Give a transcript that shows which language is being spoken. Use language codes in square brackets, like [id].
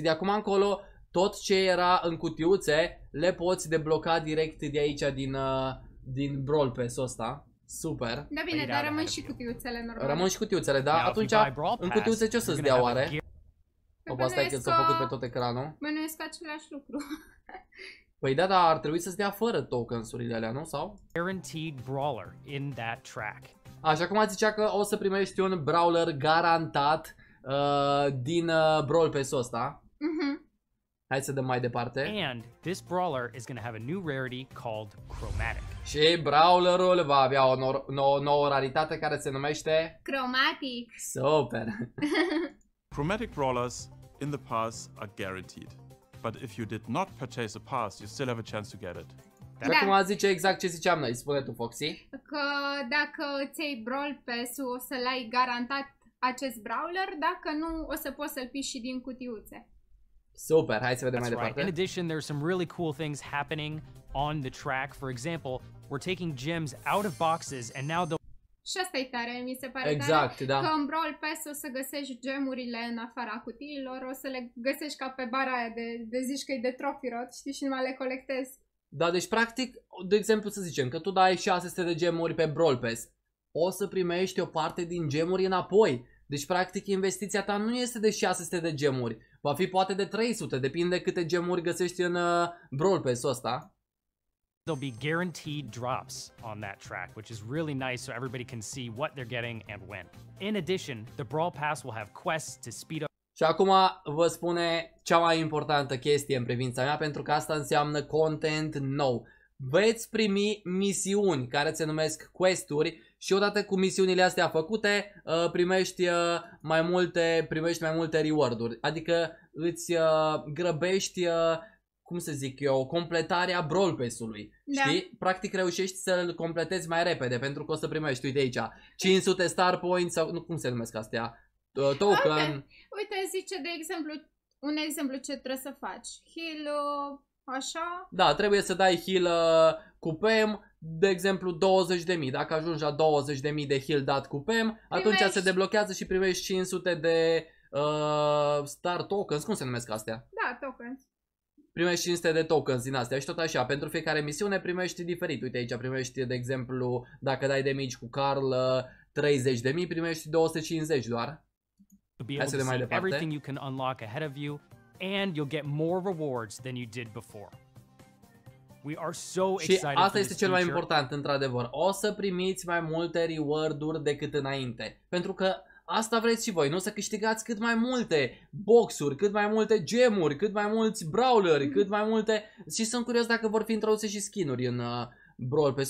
[ro] De acum încolo, tot ce era în cutiuțe, le poți debloca direct de aici, din Brawl Pass-ul ăsta. Super. Da, bine, dar rămân și cutiuțele, normal. Rămân și cutiuțele, da? Atunci, în cutiuțe ce o să-ți dea oare? Opa, stai că s-a făcut pe tot ecranul. Bănuiesc același lucru. Păi da, dar ar trebui să-ți dea fără tokens-urile alea, nu? Sau? [en] Guaranteed brawler in that track. [ro] Așa cum ați zicea că o să primești un brawler garantat din Brawl Pass-ul ăsta. Hai să dăm mai departe. [en] And this brawler is gonna have a new rarity called Chromatic. [ro] Și brawlerul va avea o nouă raritate care se numește... Chromatic. Super. [en] Chromatic brawlers in the pass are guaranteed, but if you did not purchase a pass, you still have a chance to get it. [ro] Da. Cum a zice exact ce ziceam noi, spune tu, Foxy. Că dacă ți-ai Brawl Pass-ul, o să-l ai garantat acest brawler, dacă nu, o să poți să-l pici și din cutiuțe. Super, hai să vedem mai departe. [en] Right. In addition, there are some really cool things happening on the track. For example, we're taking gems out of boxes and now the... [ro] Și asta e tare, mi se pare exact, tare, da. Că în Brawl Pass o să găsești gemurile în afara cutiilor, o să le găsești ca pe bara aia de zici că e de Trophy Road, știi, și numai le colectezi. Da, deci practic, de exemplu să zicem că tu dai 600 de gemuri pe Brawl Pass, o să primești o parte din gemuri înapoi. Deci practic investiția ta nu este de 600 de gemuri, va fi poate de 300, depinde câte gemuri găsești în Brawl Pass-ul ăsta. [en] There'll be guaranteed drops on that track, which is really nice so everybody can see what they're getting and when. In addition, the Brawl Pass will have quests to speed up. [ro] Și acum vă spune cea mai importantă chestie în privința mea, pentru că asta înseamnă content nou. Veți primi misiuni care se numesc questuri și odată cu misiunile astea făcute, primești mai multe reward-uri. Adică îți grăbești cum să zic eu, completarea Brawl Pass-ului. Da. Știi? Practic reușești să-l completezi mai repede, pentru că o să primești, uite aici, 500 Star Points, sau nu, cum se numesc astea? token. Okay. Uite, zice de exemplu, un exemplu ce trebuie să faci. Heal, așa? Da, trebuie să dai heal cu PM, de exemplu 20.000. Dacă ajungi la 20.000 de heal dat cu PM, primești... atunci se deblochează și primești 500 de star tokens. Cum se numesc astea? Da, tokens. Primești 500 de tokens din astea și tot așa. Pentru fiecare misiune primești diferit. Uite aici primești, de exemplu, dacă dai damage cu Carl 30.000, primești 250 doar. Hai să vedem mai departe. [en] Everything you can unlock ahead of you and you'll get more rewards than you did before. We are so excited. [ro] Și asta este cel mai important, într-adevăr. O să primiți mai multe reward-uri decât înainte. Pentru că asta vreți și voi, nu? Să câștigați cât mai multe boxuri, cât mai multe gemuri, cât mai mulți brawleri, cât mai multe... Și sunt curios dacă vor fi introduse și skin-uri în Brawl Pass.